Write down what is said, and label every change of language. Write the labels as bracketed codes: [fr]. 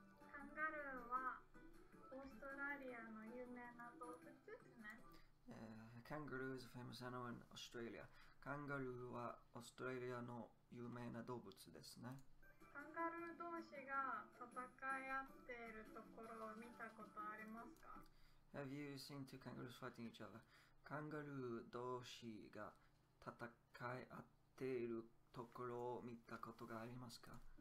[ja] カンガルーはオーストラリアの有名な動物ですね。 [en] カンガルー is a famous animal in Australia. [ja] カンガルーはオーストラリアの有名な動物ですね。カンガルー同士が戦い合っているところを見たことありますか？ [en] Have you seen two kangaroos fighting each other? [ja] カンガルー同士が戦い合っているところを見たことがありますか？